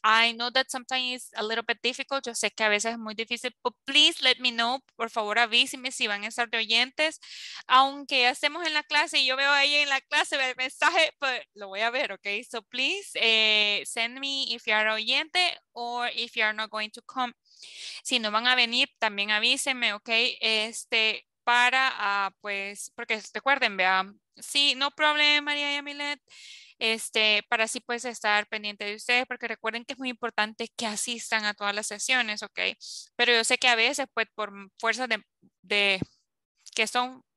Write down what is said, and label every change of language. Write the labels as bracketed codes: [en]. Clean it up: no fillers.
[en] I know that sometimes it's a little bit difficult. [es] Yo sé que a veces es muy difícil, but please let me know. Por favor, avísenme si van a estar de oyentes. Aunque ya estemos en la clase y yo veo ahí en la clase el mensaje, pero lo voy a ver, okay? [en] So please send me if you are oyente or if you are not going to come. [es] Si no van a venir, también avísenme, ¿ok? Para, pues, porque recuerden, vea, sí, no problem, María Yamilet, para así, pues, estar pendiente de ustedes, porque recuerden que es muy importante que asistan a todas las sesiones, ¿ok? Pero yo sé que a veces, pues, por fuerzas de que son